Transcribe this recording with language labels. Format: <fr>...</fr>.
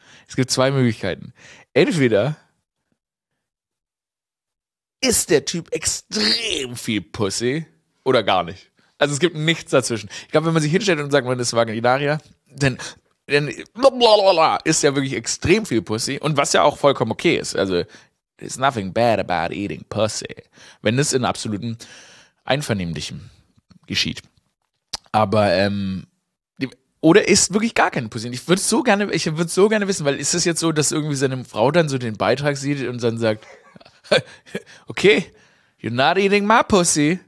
<de>Es gibt zwei Möglichkeiten. Entweder ist der Typ extrem viel Pussy oder gar nicht. Also es gibt nichts dazwischen. Ich glaube, wenn man sich hinstellt und sagt, man ist Vaginarier, dann ist ja wirklich extrem viel Pussy. Und was ja auch vollkommen okay ist.</de> <en>Also there's nothing bad about eating pussy.</en> <de>Wenn es in absolutem Einvernehmlichem geschieht. Aber oder ist wirklich gar keine Pussy. Ich würde so gerne wissen, weil ist es jetzt so, dass irgendwie seine Frau dann so den Beitrag sieht und dann sagt, okay,</de> <en>you're not eating my pussy.</en>